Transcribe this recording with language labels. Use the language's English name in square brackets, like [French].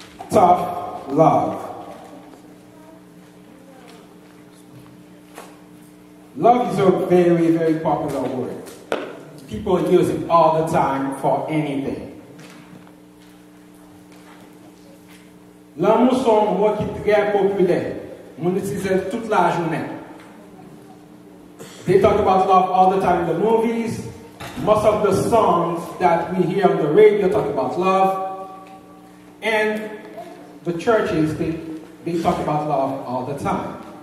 [English] Tough love. Love is a very, very popular word. People use it all the time for anything. [French] L'amour est un mot qui est très populaire. On l'utilise toute la journée. [English] They talk about love all the time in the movies. Most of the songs that we hear on the radio talk about love. And the churches, they talk about love all the time.